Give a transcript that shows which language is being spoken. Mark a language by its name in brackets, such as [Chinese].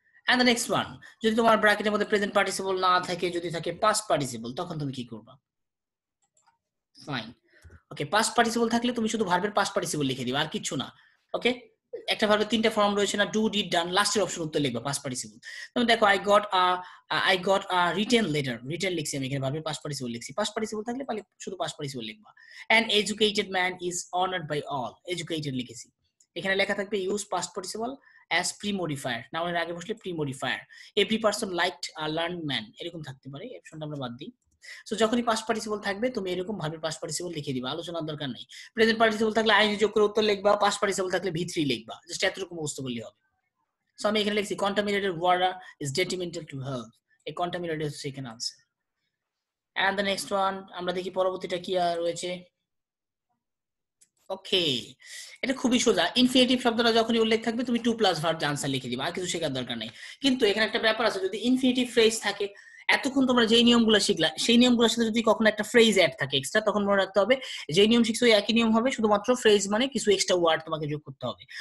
[English] And the next one, [Bangla] যদি তোমার ব্র্যাকেটের মধ্যে প্রেজেন্ট পার্টিসিপল না থাকে, যদি থাকে past participle, তখন তুমি কি করবা? Fine. Okay, past participle থাকলে তুমি শুধু ভার্বের past participle লিখে দিবা, আর কিছু না। Okay? একটা ভার্বের তিনটা ফর্ম রয়েছে না, ডু ডিড ডান, লাস্টের অপশন উত্তর লিখবা past participle। তুমি দেখো [English] I got a written letter, [Bangla] written লিখছি আমি এখানে ভার্বের past participle লিখছি, past participle থাকলে পালে শুধু past participle লিখবা। [English] An educated man is honored by all, educated লিখেছি, [Bangla] এখানে লেখা থাকবে [English] use past participle as pre-modifier, noun এর আগে বসলে pre-modifier, every person liked a learned man, [Bangla] এরকম থাকতে পারে, অপশনটা আমরা বাদ দিই। সো যখনই past participle থাকবে তুমি এরকম ভাবে past participle লিখে দিবা, আলোচনার দরকার নাই। present participle থাকলে ing যোগ করে উত্তর লিখবা, past participle থাকলে v3 লিখবা, জাস্ট এতটুকু মুখস্থ করলেই হবে। সো আমি এখানে লিখছি [English] contaminated water is detrimental to health, a contaminated is second answer, And the next one, [Bangla] আমরা দেখি পরবর্তীটা কি আর রয়েছে। Okay, এটা খুবই সোজা। Infinitive শব্দটা যখনই উল্লেখ থাকবে, তুমি [English] two plus verb answer [Bangla] লিখে দিবে। আর কিছু শেখার দরকার নেই। কিন্তু এখানে একটা ব্যাপার আছে, যদি infinitive phrase থাকে, এতক্ষণ তোমরা যে নিয়মগুলো শিখলা সেই নিয়মগুলোর সাথে যদি কখনো একটা ফ্রেজ অ্যাড থাকে এক্সট্রা, তখন মনে রাখতে হবে যে নিয়ম শিখছো ওই একই নিয়ম হবে, শুধুমাত্র ফ্রেজ মানে কিছু এক্সট্রা ওয়ার্ড তোমাকে যোগ করতে হবে।